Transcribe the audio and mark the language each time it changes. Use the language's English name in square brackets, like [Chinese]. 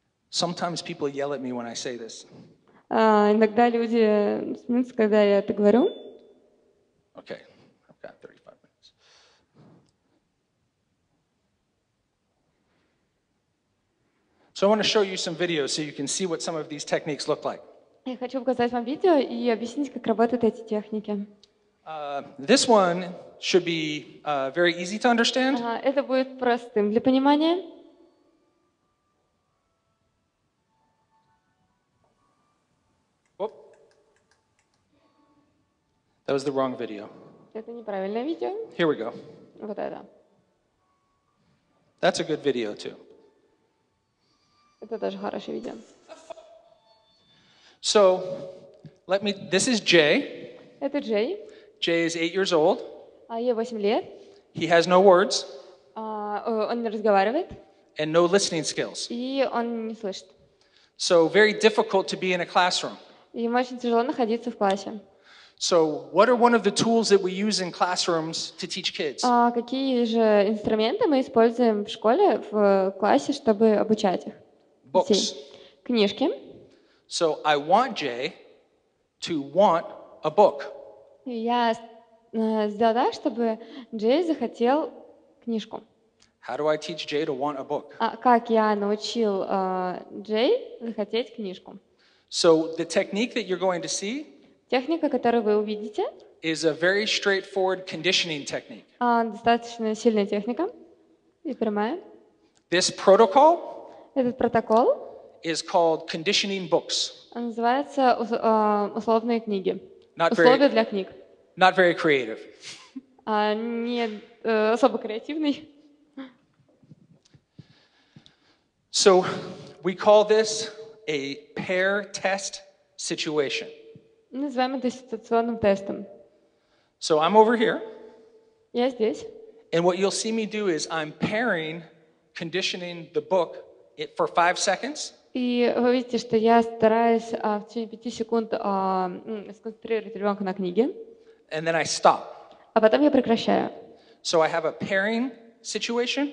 [English] Sometimes people yell at me when I say this. [Russian] Иногда люди смеются, когда я это говорю. [English] Okay, I've got 35 minutes. So I want to show you some videos so you can see what some of these techniques look like. [Russian] Я хочу показать вам видео и объяснить, как работают эти техники. [English] This one should be very easy to understand. [Russian] Это будет простым для понимания. Оп. [English] That was the wrong video. [Russian] Это неправильное видео. [English] Here we go. [Russian] Вот это. [English] That's a good video too. [Russian] Это тоже хорошее видео. [English] So, let me. This is Jay. [Russian] Это Джей. [English] Jay is 8 years old. [Russian] Ей 8 лет. [English] He has no words. [Russian] Он не разговаривает. [English] And no listening skills. [Russian] И он не слышит. [English] So very difficult to be in a classroom. [Russian] Ему очень тяжело находиться в классе. [English] So what are one of the tools that we use in classrooms to teach kids? [Russian] Какие же инструменты мы используем в школе, в классе, чтобы обучать их? [English] Books. [Russian] Книжки. [English] So I want Jay to want a book. [Russian] Я сделала так, чтобы Джей захотел книжку. [English] How do I teach Jay to want a book? [Russian] Как я научил Джей захотеть книжку? [English] So the technique that you're going to see, [Russian] техника, которую вы увидите, [English] is a very straightforward conditioning technique. [Russian] Достаточно сильная техника и прямая. [English] This protocol, [Russian] этот протокол, [English] is called conditioning books. [Russian] Называется условные книги. Условия для книг. [English] Not very creative. [Russian] Не особо креативный. [English] So we call this a pair test situation. [Russian] Называем это ситуационным тестом. [English] So I'm over here. [Russian] Я здесь. [English] And what you'll see me do is I'm pairing, conditioning the book for 5 seconds. [Russian] И вы видите, что я стараюсь в течение 5 секунд сконцентрировать ребенка на книге. [English] And then I stop. [Russian] А потом я прекращаю. [English] So I have a pairing situation.